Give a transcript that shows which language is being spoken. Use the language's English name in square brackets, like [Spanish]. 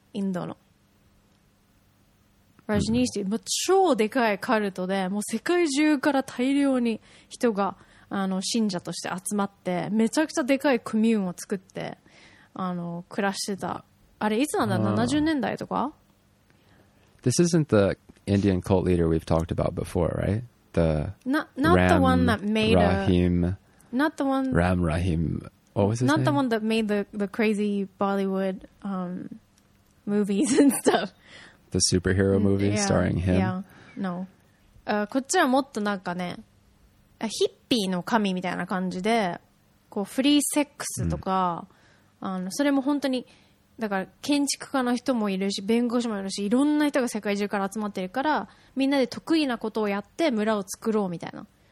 [Japanese] インドの Rajneesh っていう、もう超でかいカルトで、もう世界中から大量に人があの信者として集まって、めちゃくちゃでかいコミューンを作ってあの暮らしてた。あれいつなんだ、70年代とか。 [English] This isn't theIndian cult leader we've talked about before, right? The Ram Rahim. What was his name? Not the one that made the crazy Bollywood movies and stuff. The superhero movie yeah, starring him? Yeah, no. [Japanese] こっちはもっとなんかね、ヒッピーの神みたいな感じで、こうフリーセックスとか、あのそれも本当に、だから建築家の人もいるし弁護士もいるし、いろんな人が世界中から集まってるから、みんなで得意なことをやって村を作ろうみたいな。